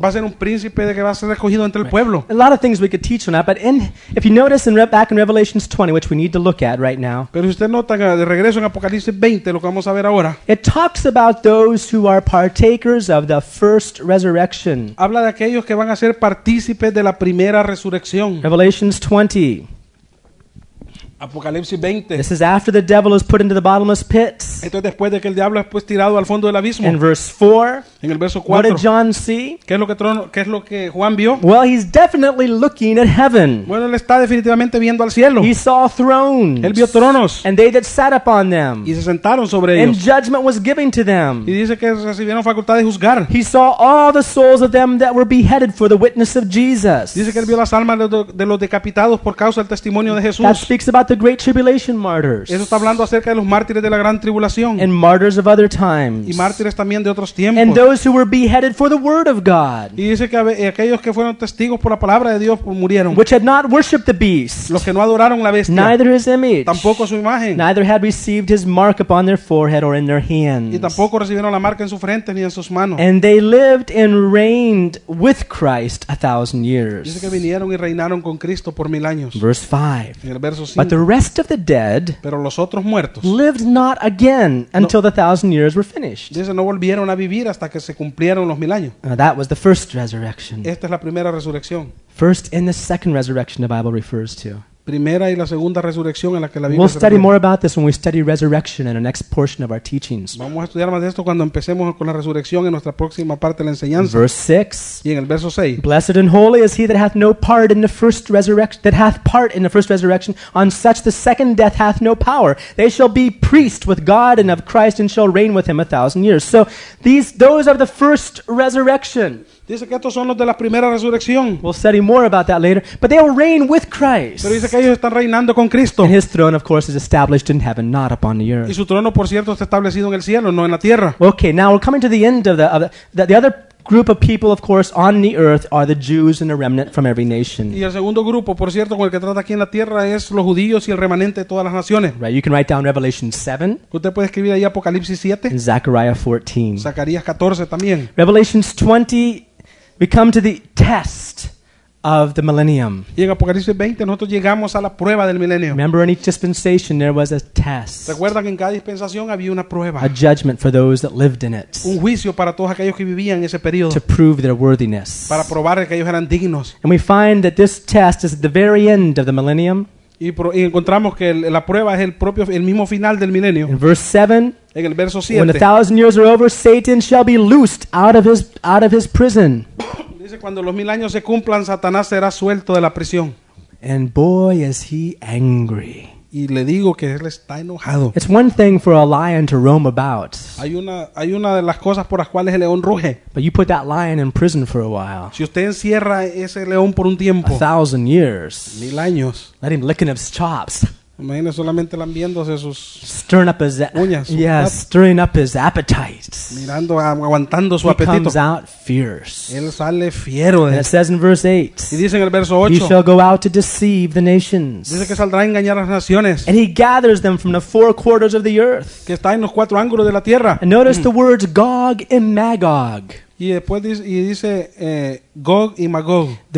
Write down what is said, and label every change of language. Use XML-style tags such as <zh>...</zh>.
<es>Va a ser un príncipe de que va a ser escogido entre el pueblo.</es> <en>A lot of things we could teach on that, but if you notice back in Revelations 20, which we need to look at right now.</en> <es>Pero si usted nota de regreso en Apocalipsis 20, lo que vamos a ver ahora.</es> <en>It talks about those who are partakers of the first resurrection.</en> <es>Habla de aquellos que van a ser partícipes de la primera resurrección.</es> <en>Revelations 20.</en> <es>Apocalipsis 20.</es> <en>This is after the devil is put into the bottomless pit.</en> <es>Esto es después de que el diablo es tirado al fondo del abismo.</es> <en>In verse 4.</en> <es>En el verso 4.</es> <en>What did John see?</en> <es>¿Qué es lo que Juan vio?</es> <en>Well, he's definitely looking at heaven.</en> <es>Bueno, él está definitivamente viendo al cielo.</es> <en>He saw thrones.</en> <es>Él vio tronos.</es> <en>And they that sat upon them.</en> <es>Y se sentaron sobre</es> <en>and</en> <es>ellos.</es> <en>And judgment was given to them.</en> <es>Y dice que recibieron facultad de juzgar.</es> <en>He saw all the souls of them that were beheaded for the witness of Jesus.</en> <es>Dice que él vio las almas de los decapitados por causa del testimonio de Jesús.</es> <en>That speaks about the great tribulation martyrs.</en> <es>Eso está hablando acerca de los mártires de la gran tribulación.</es> <en>And martyrs of other times.</en> <es>Y mártires también de otros tiempos.</es> <en>And those who were beheaded for the word of God.</en> <es>Y dice que aquellos que fueron testigos por la palabra de Dios murieron.</es> <en>Which had not worshipped the beast.</en> <es>Los que no adoraron la bestia.</es> <en>Neither his image.</en> <es>Tampoco su imagen.</es> <en>Neither had received his mark upon their forehead or in their hands.</en> <es>Y tampoco recibieron la marca en su frente ni en sus manos.</es> <en>And they lived and reigned with Christ 1,000 years.</en> <es>Dice que vinieron y reinaron con Cristo por 1,000 años.</es> <en>Verse 5.</en> <es>En el verso 5.</es> <en>But the rest of the dead</en> <es>pero los otros muertos</es> <en>lived not again until the 1,000 years were finished.</en> <es>Dice, no volvieron a vivir hasta que se cumplieron los 1,000 años.</es> <en>Now that was the first resurrection.</en> <es>Esta es la primera resurrección.</es> <en>First and the second resurrection the Bible refers to.</en> <es>Primera y la segunda resurrección en la que la Biblia</es> <en>we'll study</en> <es>refiere.</es> <en>More about this when we study resurrection in the next portion of our teachings.</en> <es>Vamos a estudiar más de esto cuando empecemos con la resurrección en nuestra próxima parte de la enseñanza.</es> <en>Verse 6.</en> <es>Y en el verso 6.</es> <en>Blessed and holy is he that hath no part in the first resurrection, that hath part in the first resurrection, on such the second death hath no power. They shall be priests with God and of Christ and shall reign with him 1,000 years. So those are the first resurrection.</en> <es>Dice que estos son los de la primera resurrección.</es> <en>We'll study more about that later. But they will reign with Christ.</en> <es>Pero dice que ellos están reinando con Cristo.</es> <en>And his throne, of course, is established in heaven, not upon the earth.</en> <es>Y su trono, por cierto, está establecido en el cielo, no en la tierra.</es> <en>Okay, now we're coming to the end of the other group of people, of course, on the earth are the Jews and a remnant from every nation.</en> <es>Y el segundo grupo, por cierto, con el que trata aquí en la tierra es los judíos y el remanente de todas las naciones.</es> <en>Right, you can write down Revelation 7.</en> <es>Usted puede escribir ahí Apocalipsis 7.</es> <en>And Zechariah 14.</en> <es>Zacarías 14 también.</es> <en>Revelation 20. We come to the test of the millennium.</en> <es>Y en Apocalipsis 20 nosotros llegamos a la prueba del milenio.</es> <en>Remember, in each dispensation there was a test.</en> <es>Recuerda que en cada dispensación había una prueba.</es> <en>A judgment for those that lived in it.</en> <es>Un juicio para todos aquellos que vivían en ese periodo.</es> <en>To prove their worthiness.</en> <es>Para probar que ellos eran dignos.</es> <en>And we find that this test is at the very end of the millennium.</en> <es>Y encontramos que la prueba es el mismo final del milenio.</es> <en>In verse 7.</en> <es>En el verso 7.</es> <en>When 1,000 years are over, Satan shall be loosed out of his prison.</en> <es>Dice cuando los 1,000 años se cumplan, Satanás será suelto de la prisión.</es> <en>And boy, is he angry.</en> <es>Y le digo que él está enojado.</es> <en>It's one thing for a lion to roam about.</en> <es>Hay una de las cosas por las cuales el león ruge.</es> <en>But you put that lion in prison for a while.</en> <es>Si usted encierra ese león por un tiempo.</es> <en>1,000 years.</en> <es>1,000 años.</es> <en>Let him licking his chops.</en> <es>Imagina solamente lambiéndose sus</es> <en>stirring up his</en> <es>uñas.</es> <en>Yeah, stirring up his appetites.</en> <es>Mirando, aguantando su</es> <en>he</en> <es>apetito.</es> <en>Comes out fierce.</en> <es>Él sale fiero.</es> <en>And it says in verse 8.</en> <es>Y dice en el verso 8.</es> <en>He shall go out to deceive the nations.</en> <es>Dice que saldrá a engañar a las naciones.</es> <en>And he gathers them from the four quarters of the earth.</en> <es>Que está en los cuatro ángulos de la tierra.</es> <en>And notice the words Gog and Magog.</en> <es>Y después dice Gog y Magog.</es>